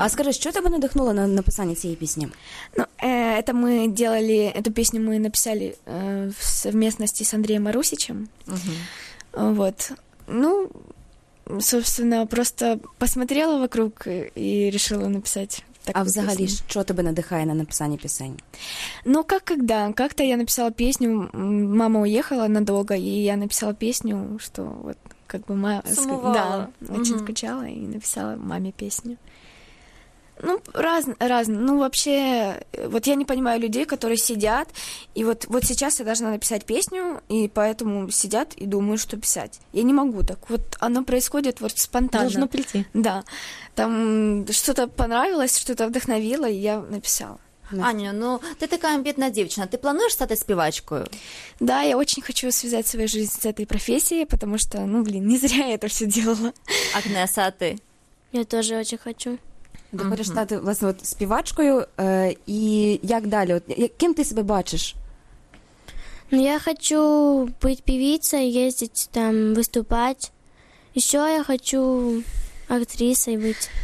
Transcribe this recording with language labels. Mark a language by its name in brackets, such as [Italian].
[Russian] А скажи, что тебя надихнуло на написание этой песни? Ну, это мы делали, эту песню мы написали в совместности с Андреем Марусичем. Вот. Ну, собственно, просто посмотрела вокруг и решила написать. [Ukrainian] А взагалі, що тебе надихає на написання пісень? Ну, як коли? Як-то я написала пісню, мама уїхала надовго, і я написала пісню, що от, як би, [Russian] очень скучала, [Ukrainian] і написала мамі пісню. [Russian] Ну, разно. Ну, вообще, вот я не понимаю людей, которые сидят, и вот сейчас я должна написать песню, и поэтому сидят и думают, что писать. Я не могу так. Вот оно происходит вот спонтанно. Должно прийти. Да. Там что-то понравилось, что-то вдохновило, и я написала. [Ukrainian] Аня, ну, [Russian] ты такая [Ukrainian] амбітна дівчина, ты плануешь стать співачкою? [Russian] Да, я очень хочу связать свою жизнь с этой профессией, потому что, ну, блин, не зря я это все делала. [Ukrainian] Агнеса, а ти? [Russian] Я тоже очень хочу. [Ukrainian] Ти хочеш стати, власне, от, співачкою, і як далі? От, ким ти себе бачиш? Ну, я хочу бути [Russian] певицею, [Ukrainian] їздити там, виступати. І що я хочу актрисою бути.